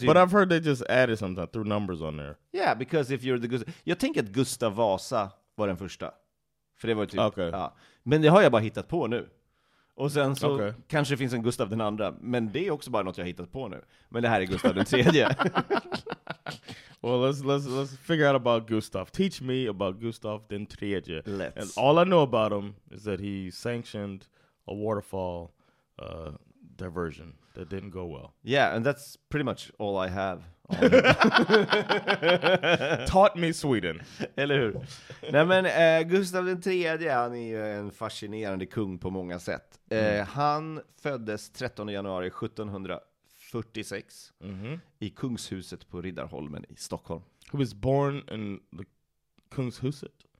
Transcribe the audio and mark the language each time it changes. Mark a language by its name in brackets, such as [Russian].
[English] But I've heard they just added something, threw numbers on there. Yeah, because if you're the Gustav. [Swedish] Jag tänker att Gustav Vasa var den första. För det var typ. Okej. Okay. Ja. Men det har jag bara hittat på nu. Och sen så okay. Kanske det finns en Gustav den andra. Men det är också bara något jag har hittat på nu. Men det här är Gustav den tredje. [English] Well, let's figure out about Gustav. Teach me about Gustav den tredje. Let's. And all I know about him is that he sanctioned a waterfall diversion that didn't go well. Yeah, and that's pretty much all I have. Taught me Sweden. [Swedish] Eller hur? Nej, men Gustav den tredje, han är ju en fascinerande kung på många sätt. Han föddes 13 januari 1746 i kungshuset på Riddarholmen i Stockholm. [English] He was born in the kungshuset?